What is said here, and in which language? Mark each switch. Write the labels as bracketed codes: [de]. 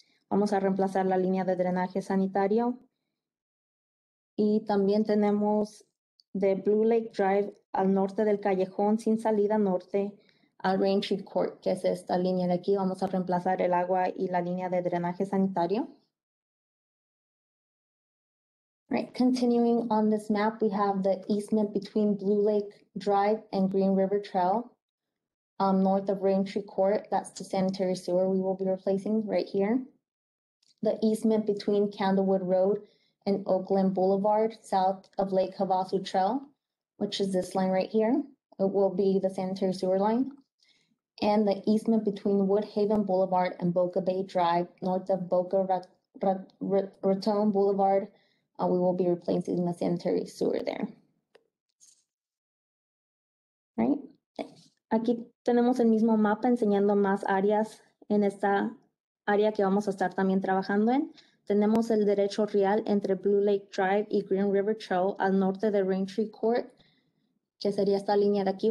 [es] Vamos a reemplazar la línea de drenaje sanitario. Y también tenemos de Blue Lake Drive al norte del callejón sin salida norte al Rain Tree Court, que es esta línea de aquí. Vamos a reemplazar el agua y la línea de drenaje sanitario. [en] Right, continuing on this map, we have the easement between Blue Lake Drive and Green River Trail, north of Rain Tree Court. That's the sanitary sewer we will be replacing right here. The easement between Candlewood Road and Oakland Boulevard, south of Lake Havasu Trail, which is this line right here. It will be the sanitary sewer line. And the easement between Woodhaven Boulevard and Boca Bay Drive, north of Boca Raton Boulevard, we will be replacing the sanitary sewer there. Right? [es] Aquí tenemos el mismo mapa enseñando más áreas en esta área que vamos a estar también trabajando en. Tenemos el derecho real entre Blue Lake Drive y Green River Trail al norte de Rain Tree Court, que sería esta línea de aquí.